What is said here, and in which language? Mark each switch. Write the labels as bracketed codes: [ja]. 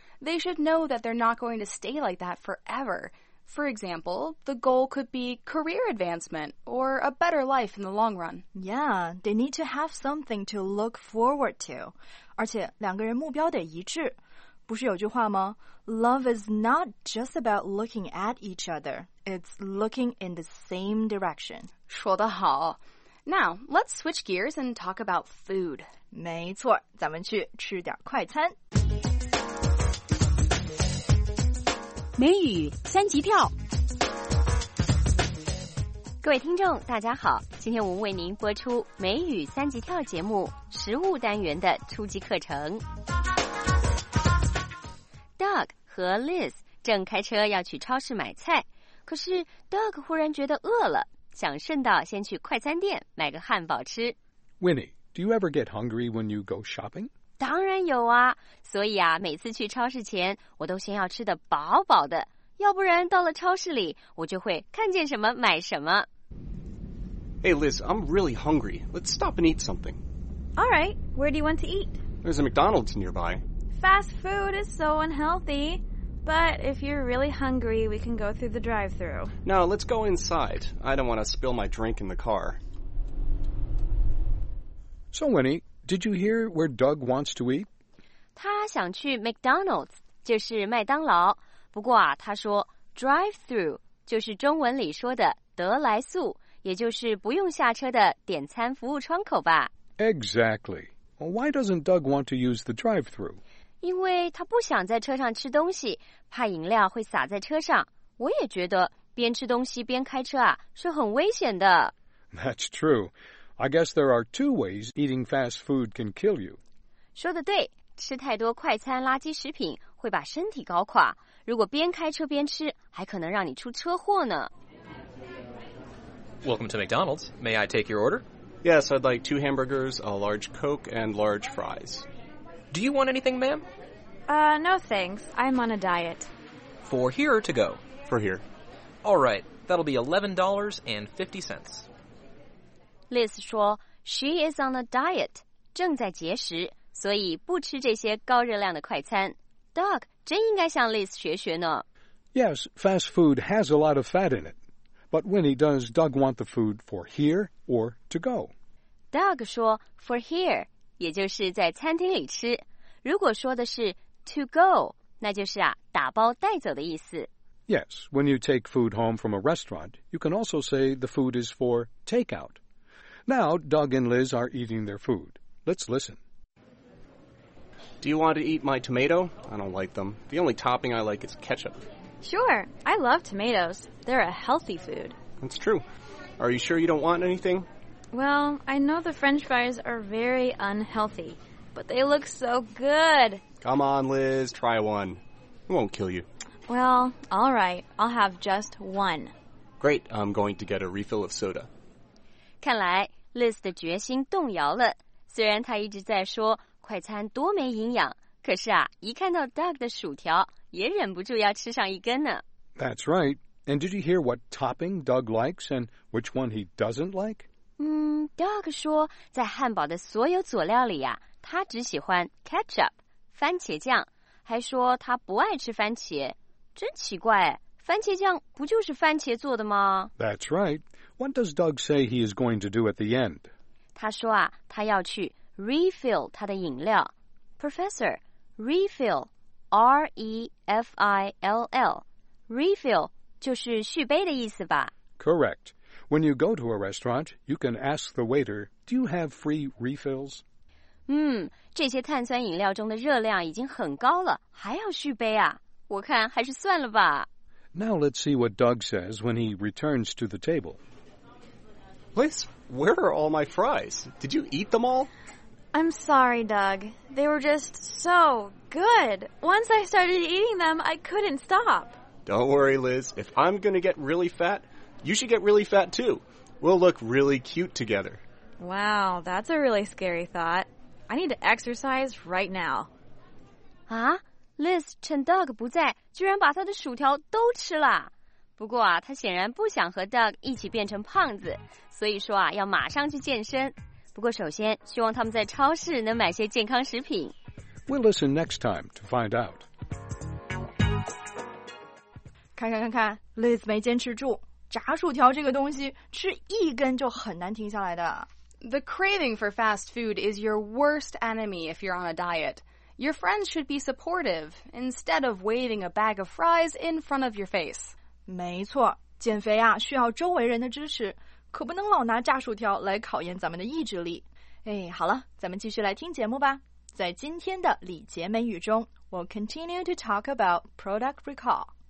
[en] They should know that they're not going to stay like that forever. For example, the goal could be career advancement or a better life in the long run. Yeah, they need to have something to look forward to. [zh] 而且两个人目标得一致。不是有句话吗？ [en] Love is not just about looking at each other. It's looking in the same direction. [zh] 说得好。 [en] Now, let's switch gears and talk about food. [zh] 没错，咱们去吃点快餐。美语三级跳，各位听众大家好，今天我们为您播出美语三级跳节目食物单元的初级课程。 Doug 和 Liz 正开车要去超市买菜，可是 Doug 忽然觉得饿了，想顺道先去快餐店买个汉堡吃。 [en] Winnie, do you ever get hungry when you go shopping? [zh] 当然有啊，所以啊，每次去超市前，我都先要吃得饱饱的，要不然到了超市里，我就会看见什么买什么。 [en] Hey Liz, I'm really hungry. Let's stop and eat something. All right, where do you want to eat? There's a McDonald's nearby. Fast food is so unhealthy, but if you're really hungry, we can go through the drive-thru. No, let's go inside. I don't want to spill my drink in the car. So Winnie,Did you hear where Doug wants to eat? [zh] 他想去 McDonald's, 就是麦当劳。不过啊，他说 drive-through 就是中文里说的得来速，也就是不用下车的点餐服务窗口吧。 [en] Exactly. Well, why doesn't Doug want to use the drive-through? [zh] 因为他不想在车上吃东西，怕饮料会洒在车上。我也觉得边吃东西边开车啊，是很危险的。 [en] That's true. I guess there are two ways eating fast food can kill you. [zh] 说得对，吃太多快餐垃圾食品会把身体搞垮。如果边开车边吃，还可能让你出车祸呢。 [en] Welcome to McDonald's. May I take your order? Yes, I'd like two hamburgers, a large Coke, and large fries. Do you want anything, ma'am? No thanks. I'm on a diet. For here or to go? For here. All right, that'll be $11.50. [zh] Liz 说 , [en] She is on a diet, [zh] 正在节食，所以不吃这些高热量的快餐。 Doug 真应该向 Liz 学学呢。 [en] Yes, fast food has a lot of fat in it. But Winnie, does Doug want the food for here or to go? [zh] Doug 说 , [en] for here, [zh] 也就是在餐厅里吃。如果说的是 [en] to go, [zh] 那就是啊打包带走的意思。 [en] Yes, when you take food home from a restaurant, you can also say the food is for takeout. Now, Doug and Liz are eating their food. Let's listen. Do you want to eat my tomato? I don't like them. The only topping I like is ketchup. Sure, I love tomatoes. They're a healthy food. That's true. Are you sure you don't want anything? Well, I know the French fries are very unhealthy, but they look so good. Come on, Liz, try one. It won't kill you. Well, all right, I'll have just one. Great, I'm going to get a refill of soda. [zh] 看来 Liz 的决心动摇了。虽然她一直在说快餐多没营养，可是啊，一看到 Doug 的薯条，也忍不住要吃上一根呢。 [en] That's right. And did you hear what topping Doug likes and which one he doesn't like? [zh] Doug 说在汉堡的所有佐料里啊，他只喜欢 ketchup, 番茄酱，还说他不爱吃番茄。真奇怪，番茄酱不就是番茄做的吗？ [en] That's right. What does Doug say he is going to do at the end? [zh] 他说啊，他要去 refill 他的饮料。 [en] Professor, refill, R-E-F-I-L-L. [zh] Refill 就是续杯的意思吧？ [en] Correct. When you go to a restaurant, you can ask the waiter, do you have free refills? [zh] 这些碳酸饮料中的热量已经很高了，还要续杯啊？我看还是算了吧。 [en] Now let's see what Doug says when he returns to the table. Liz, where are all my fries? Did you eat them all? I'm sorry, Doug. They were just so good. Once I started eating them, I couldn't stop. Don't worry, Liz. If I'm going to get really fat, you should get really fat too. We'll look really cute together. Wow, that's a really scary thought. I need to exercise right now. [zh] Liz 趁 Doug 不在，居然把他的薯条都吃了。不过啊，他显然不想和 Doug 一起变成胖子，所以说啊，要马上去健身。不过首先，希望他们在超市能买些健康食品。 [en] We'll listen next time to find out. [zh] 看看 ，Liz 没坚持住。炸薯条这个东西，吃一根就很难停下来的。 [en] The craving for fast food is your worst enemy if you're on a diet. Your friends should be supportive instead of waving a bag of fries in front of your face. [zh] 没错，减肥啊需要周围人的支持，可不能老拿炸薯条来考验咱们的意志力。哎，好了，咱们继续来听节目吧。在今天的礼节美语中 [en] ，We'll continue to talk about product recall.